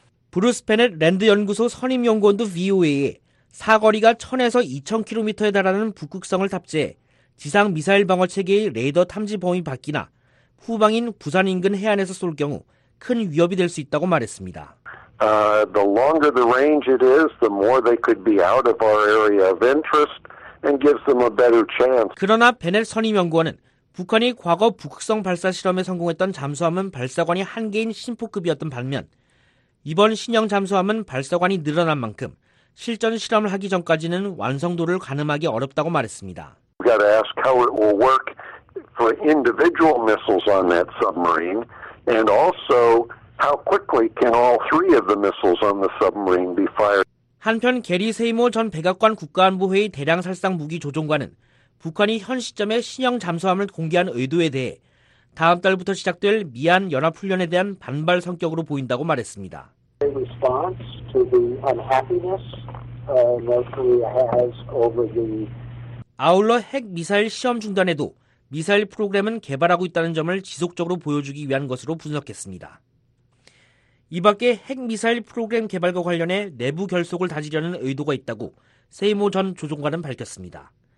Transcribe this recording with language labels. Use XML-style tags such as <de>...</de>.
<ko>브루스 베넷 랜드 연구소 선임 연구원도 VOA에 사거리가 1000에서 2000km에 달하는 북극성을 탑재해 지상 미사일 방어 체계의 레이더 탐지 범위 밖이나 후방인 부산 인근 해안에서 쏠 경우 큰 위협이 될 수 있다고 말했습니다.</ko> <en>The longer the range it is, the more they could be out of our area of interest and gives them a better chance.</en> <ko>그러나 베넷 선임 연구원은 북한이 과거 북극성 발사 실험에 성공했던 잠수함은 발사관이 한 개인 심포급이었던 반면 이번 신형 잠수함은 발사관이 늘어난 만큼 실전 실험을 하기 전까지는 완성도를 가늠하기 어렵다고 말했습니다.</ko> <en>We got to ask how it will work for individual missiles on that submarine and also how quickly can all three of the missiles on the submarine be fired.</en> <ko>한편 게리 세이모 전 백악관 국가안보회의 대량살상 무기 조종관은 북한이 현 시점에 신형 잠수함을 공개한 의도에 대해 다음 달부터 시작될 미안 연합훈련에 대한 반발 성격으로 보인다고 말했습니다.</ko> <en>In response to the unhappiness North Korea has over the</en> <ko>아울러 핵미사일 시험 중단에도 미사일 프로그램은 개발하고 있다는 점을 지속적으로 보여주기 위한 것으로 분석했습니다. 이 밖에 핵미사일 프로그램 개발과 관련해 내부 결속을 다지려는 의도가 있다고 세이모 전 조종관은 밝혔습니다.</ko>